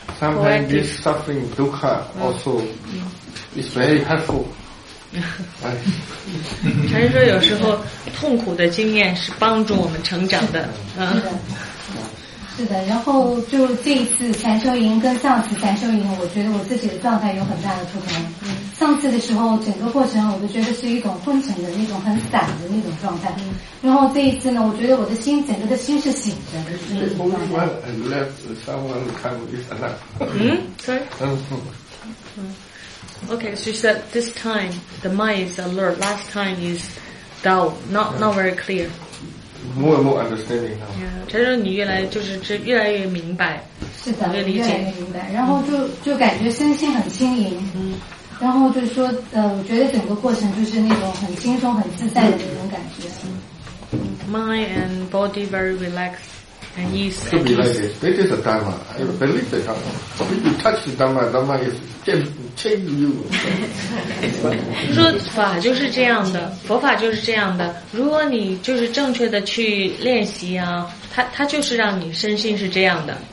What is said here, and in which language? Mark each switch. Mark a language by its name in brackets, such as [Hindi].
[English] Sometimes this suffering, dukkha, also is very helpful. [Chinese] 还是有时候痛苦的经验是帮助我们成长的。是的，然后就这一次禅修营跟上次禅修营，我觉得我自己的状态有很大的不同。上次的时候，整个过程我都觉得是一种昏沉的那种很散的那种状态。然后这一次呢，我觉得我的心整个的心是醒着的。嗯，sorry。 [English] Okay, she said this time the mind is alert. Last time is dull, not very clear. More and more understanding now. [Chinese] Yeah, 陈总，你越来越明白，是的，越理解，越来越明白，然后就感觉身心很轻盈。嗯。然后就是说我觉得整个过程就是那种很轻松很自在的那种感觉。 [English] Mind and body very relaxed and easy. Could be like this. This is a Dharma. I believe the Dharma. So if you touch the Dharma, Dharma is changing you. [Chinese] 说法就是这样的，佛法就是这样的。如果你就是正确的去练习啊，它就是让你身心是这样的。